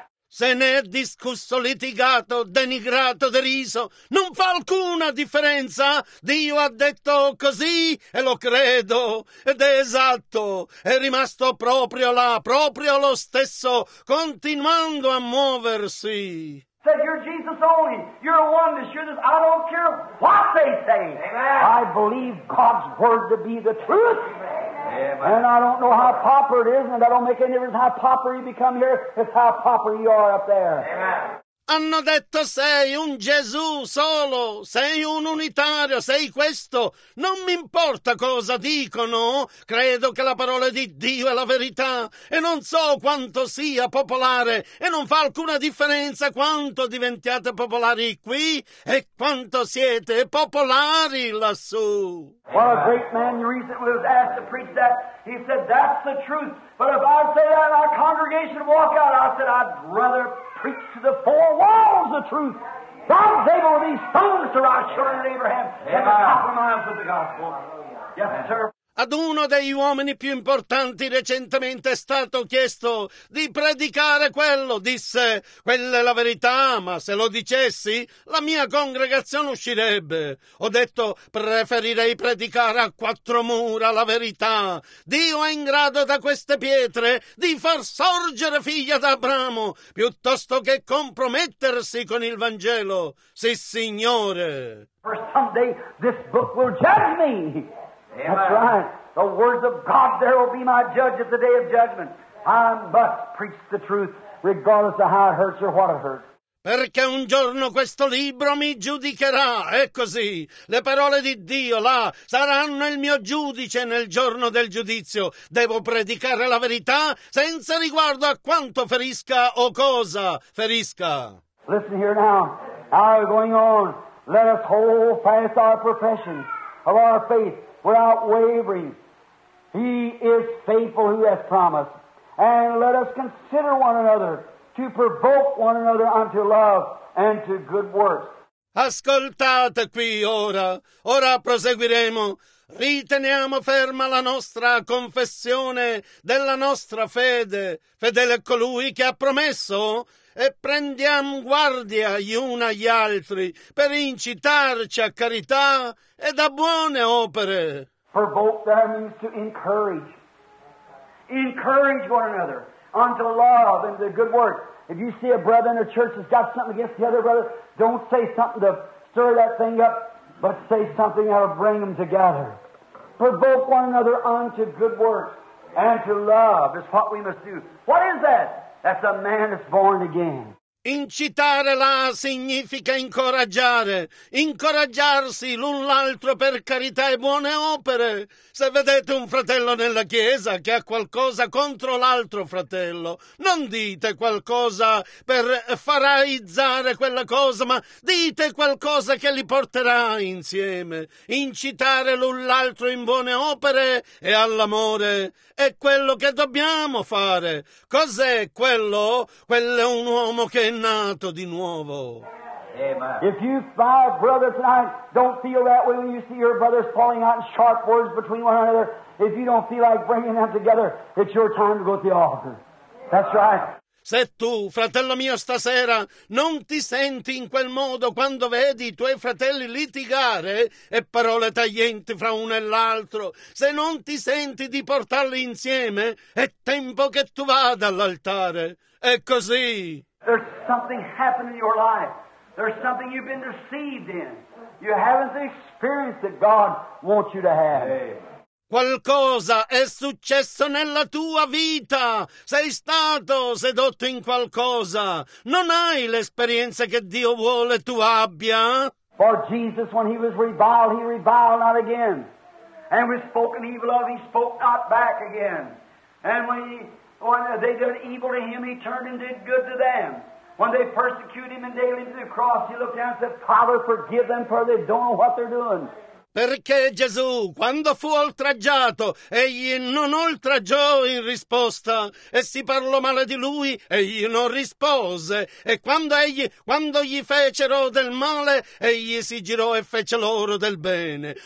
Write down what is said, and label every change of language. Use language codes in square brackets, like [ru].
[it] Se ne è discusso, litigato, denigrato, deriso, non fa alcuna differenza. Dio ha detto così e lo credo, ed è esatto, è rimasto proprio là, proprio lo stesso, continuando a muoversi. [en] Said, you're Jesus only, you're one that's sure this. I don't care what they say. Amen. I believe God's word to be the truth. Amen. And I don't know how proper it is, and that don't make any difference how proper you become here, it's how proper you are up there. Amen. [it] Hanno detto sei un Gesù solo, sei un unitario, sei questo. Non mi importa cosa dicono, credo che la parola di Dio è la verità e non so quanto sia popolare e non fa alcuna differenza quanto diventiate popolari qui e quanto siete popolari lassù. [en] What a great man recently was asked to preach that. He said, that's the truth. But if I say that in our congregation walk out, I said, I'd rather preach to the four walls the truth. God's able with these stones to rise children in Abraham and to compromise with the gospel. Yes, sir. [it] Ad uno degli uomini più importanti recentemente è stato chiesto di predicare quello. Disse, quella è la verità, ma se lo dicessi, la mia congregazione uscirebbe. Ho detto, preferirei predicare a quattro mura la verità. Dio è in grado da queste pietre di far sorgere figlia d'Abramo, piuttosto che compromettersi con il Vangelo. Sì, Signore. [en] For someday this book will judge me. Amen. That's right. The words of God, there will be my judge at the day of judgment. I must preach the truth, regardless of how it hurts or what it hurts. [it] Perché un giorno questo libro mi giudicherà, è così. Le parole di Dio là saranno il mio giudice nel giorno del giudizio. Devo predicare la verità senza riguardo a quanto ferisca o cosa ferisca. [en] Listen here now. How are going on? Let us hold fast our profession of our faith. Without wavering, he is faithful who has promised. And let us consider one another, to provoke one another unto love and to good works. [it] Ascoltate qui ora, ora proseguiremo. Riteniamo ferma la nostra confessione della nostra fede, fedele a colui che ha promesso, e prendiamo guardia gli uni agli altri per incitarci a carità e da buone opere. [en] Provoke there means to encourage. Encourage one another unto love and to good works. If you see a brother in a church that's got something against the other brother, don't say something to stir that thing up, but say something that'll bring them together. Provoke one another unto good works and to love is what we must do. What is that? That's a man that's born again. [it] Incitare là significa incoraggiare, incoraggiarsi l'un l'altro per carità e buone opere. Se vedete un fratello nella chiesa che ha qualcosa contro l'altro fratello, non dite qualcosa per farizzare quella cosa, ma dite qualcosa che li porterà insieme. Incitare l'un l'altro in buone opere e all'amore è quello che dobbiamo fare. Cos'è quello? Quello è un uomo che è nato di nuovo. [en] If you five brothers tonight don't feel that way when you see your brothers falling out in sharp words between one another, if you don't feel like bringing them together, it's your time to go to the altar. That's right. [it] Se tu, fratello mio, stasera non ti senti in quel modo quando vedi i tuoi fratelli litigare e parole taglienti fra uno e l'altro, se non ti senti di portarli insieme, è tempo che tu vada all'altare. È così. [en] There's something happened in your life. There's something you've been deceived in. You haven't the experience that God wants you to have. [it] Qualcosa è successo nella tua vita. Sei stato sedotto in qualcosa. Non hai l'esperienza che Dio vuole tu abbia. [en] For Jesus, when he reviled not again. And was spoken evil of, he spoke not back again. And when they did evil to him, he turned and did good to them. When they persecuted him and nailed him to the cross, he looked down and said, Father, forgive them, for they don't know what they're doing. [it] Perché Gesù, quando fu oltraggiato, egli non oltraggiò in risposta, e si parlò male di lui, egli non rispose, e quando gli fecero del male, egli si girò e fece loro del bene.